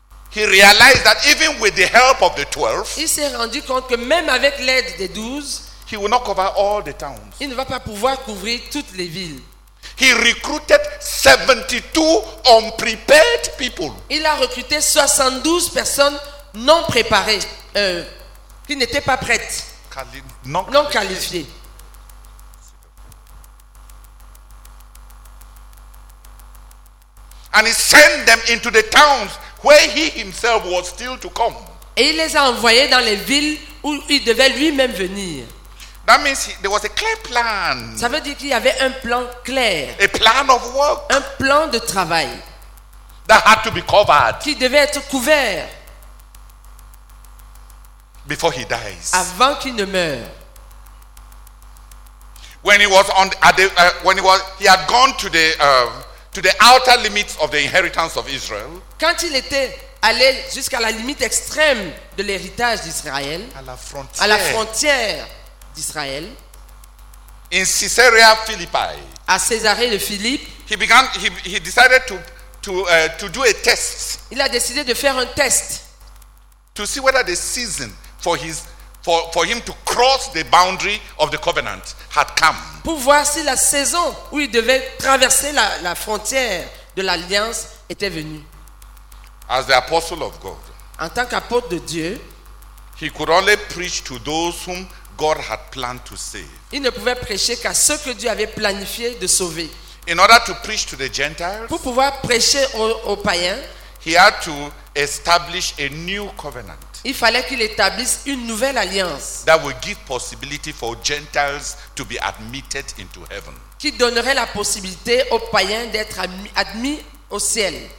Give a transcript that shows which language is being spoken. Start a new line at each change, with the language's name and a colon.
English: He realized that even with the help of the 12,
French: il s'est rendu compte que même avec l'aide des 12,
English: he will not cover all the towns.
French: Il ne va pas pouvoir couvrir toutes les villes.
English: He recruited 72 unprepared people.
French: Il a recruté 72 personnes non préparées, qui n'étaient pas prêtes, non qualifiées.
English: And he sent them into the towns where he himself was still to come.
French: Et il les a envoyés dans les villes où il devait lui-même venir.
English: That means there was a clear plan.
French: Ça veut dire qu'il y avait un plan clair.
English: A plan of work.
French: Un plan de travail.
English: That had to be covered.
French: Qui devait être couvert.
English: Before he dies.
French: Avant qu'il ne meure.
English: When he was on he had gone to the outer limits of the inheritance of Israel.
French: Quand il était allé jusqu'à la limite extrême de l'héritage d'Israël, à la frontière d'Israël,
English: in Caesarea Philippi,
French: à Césarée de Philippe,
English: he decided to do a test.
French: Il a décidé de faire un test.
English: To see whether the season for him to cross the boundary of the covenant had come.
French: Pour voir si la saison où il devait traverser la frontière de l'alliance était venue.
English: As the apostle of God,
French: en tant qu'apôtre de Dieu,
English: he could only preach to those whom God had planned to save.
French: Il ne pouvait prêcher qu'à ceux que Dieu avait planifié de sauver.
English: In order to preach to the Gentiles,
French: pour pouvoir prêcher aux païens,
English: he had to establish a new covenant.
French: Il fallait qu'il établisse une nouvelle alliance.
English: That would give possibility for Gentiles to be admitted into heaven.
French: Qui donnerait la possibilité aux païens d'être admis au ciel.